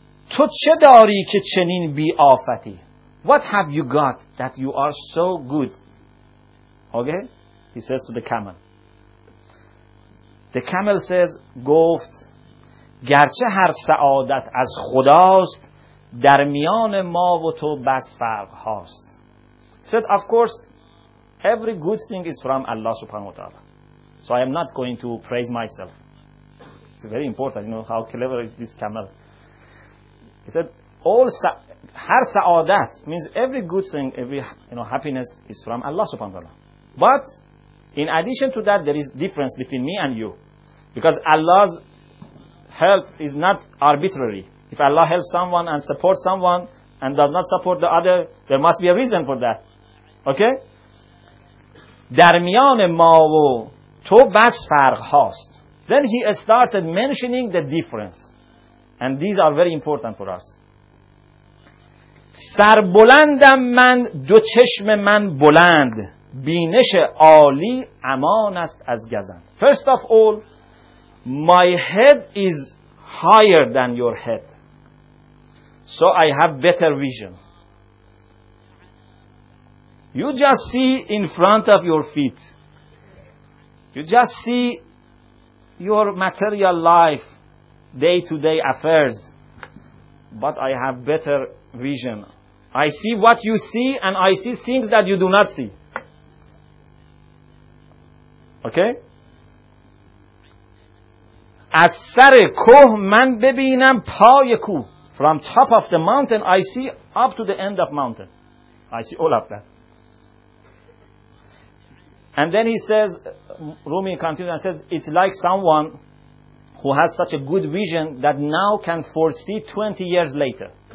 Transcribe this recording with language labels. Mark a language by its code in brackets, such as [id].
[fa] تو چه داری که چنین بی آفتی? [en] What have you got that you are so good? Okay? He says to the camel. The camel says, [fa] گفت, گرچه هر سعادت از خداست, در میان ما و تو بس فرق هاست. [en] He said, of course, every good thing is from Allah subhanahu wa ta'ala. So I am not going to praise myself. It's very important, you know, how clever is this camel. He said, all har sa'adat means every good thing, every, you know, happiness is from Allah subhanahu wa ta'ala. But in addition to that, there is difference between me and you. Because Allah's help is not arbitrary. If Allah helps someone and supports someone and does not support the other, there must be a reason for that. Okay? [fa] در میان ما و تو بس فرق هاست. [en] Then he started mentioning the difference. And these are very important for us. [fa] سر بلندم من, دو چشم من بلند, بینش عالی امان است از گزند. [en] First of all, my head is higher than your head. So I have better vision. You just see in front of your feet. You just see your material life, day-to-day affairs. But I have better vision. I see what you see and I see things that you do not see. Okay? [fa] از سر کوه من ببینم پای کوه. [en] From top of the mountain, I see up to the end of mountain. I see all of that. And then he says, Rumi continues and says, it's like someone who has such a good vision that now can foresee 20 years later.